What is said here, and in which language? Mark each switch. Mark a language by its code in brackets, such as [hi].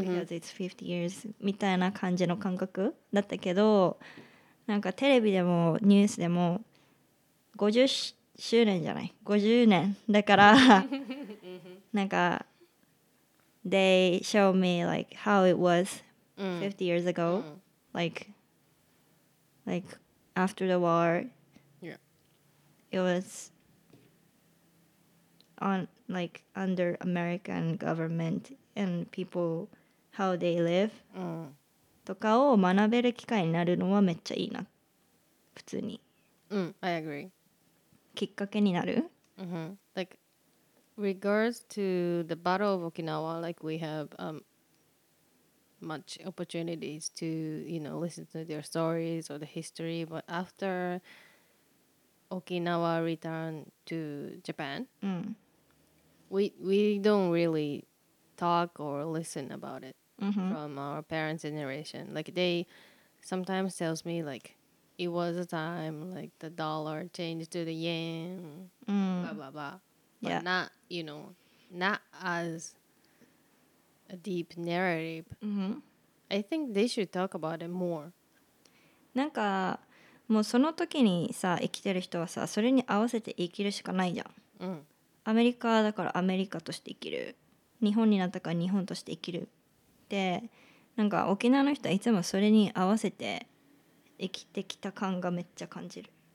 [en] because it's 50 years [ja] みたいな感じの感覚だったけど、なんかテレビでもニュースでも50周年じゃない50年だからなんか [en] they show me like how it was 50 years ago、うん、 like after the war、 yeah. it was on like under American government and people how they live、うん、 [ja] とかを学べる機会になるのはめっちゃいいな普通に。 [en] うん、 I agree [ja] きっかけになる、 mm-hmm. [en] like regards to the battle of Okinawa, like we have much opportunities to you know listen to their stories or the history, but after Okinawa returned to Japan、 mm. we don't really talk or listen about it、 mm-hmm. from our parents' generation. Like they sometimes tells me likeIt was a time like the dollar changed to the yen,、 mm. blah blah blah. But、 not, you know, not as a deep narrative.、 Mm-hmm. I think they should talk about it more. [ja] なんかもうその時にさ生きてる人はさそれに合わせて生きるしかないじゃん。うん。アメリカだからアメリカとして生きる。日本になったから日本として生きる。で、なんか沖縄の人はいつもそれに合わせて生きてきた感がめっちゃ感じる。